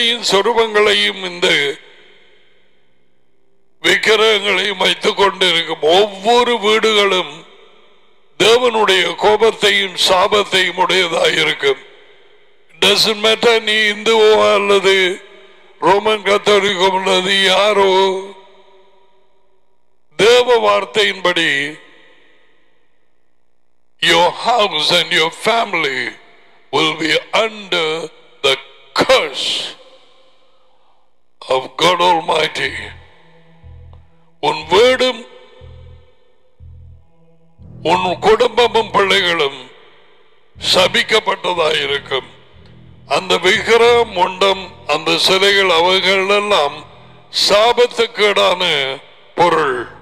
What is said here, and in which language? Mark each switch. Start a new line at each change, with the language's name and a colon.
Tamil: சொருபங்களையும் இந்த விக்கிரகங்களையும் வைத்துக் கொண்டிருக்கும் ஒவ்வொரு வீடுகளும் தேவனுடைய கோபத்தையும் சாபத்தையும் உடையதாயிருக்கும்.
English: Doesn't matter
Tamil: நீ இந்துவோ அல்லது ரோமன் கத்தோலிக்கோ அல்லது யாரோ, தேவ வார்த்தையின்படி
English: your house and your family will be under the curse of God Almighty.
Tamil: உன் வீடும் உன் குடும்பமும் பிள்ளைகளும் சபிக்கப்பட்டதாயிருக்கும். அந்த விக்கிரகம், முண்டம், அந்த சிலைகள், அவைகள் எல்லாம் சாபத்துக்கேடான பொருள்.